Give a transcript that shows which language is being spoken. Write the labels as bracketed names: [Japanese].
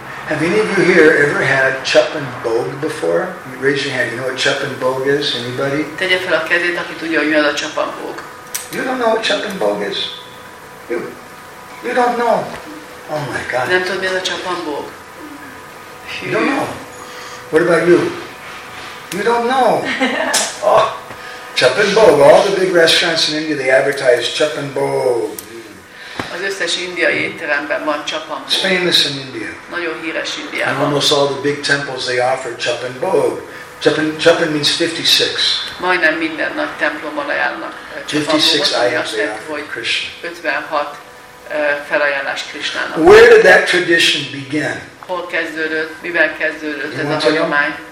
[English] Have any of you here ever had chupan bhog before? Raise your hand. You know what chupan bhog is? Anybody? [Hungarian] Tegye fel a kezét, aki tudja, hogy mi az a chupan bhog. [English] You don't know what chupan bhog is? You don't know. Oh my God. [Hungarian] Nem tud, mi az a chupan bhog. [English] You don't know. What about you? You don't know. Oh. Chupan bhog. All the big restaurants in India, they advertise chupan bhog. [Hungarian] Az összes indiai étteremben van chupan bhog. [English] It's famous in India. [Hungarian] Nagyon híres Indiában. [English] And almost all the big temples, they offer chupan bhog. Chupan means 56. [Hungarian] Majdnem minden nagy templomban ajánlnak chupan bhogot. 56 felajánlás Krishnának. [English] Where did that tradition begin? [Hungarian] Hol kezdődött, mivel kezdődött ez a hagyomány?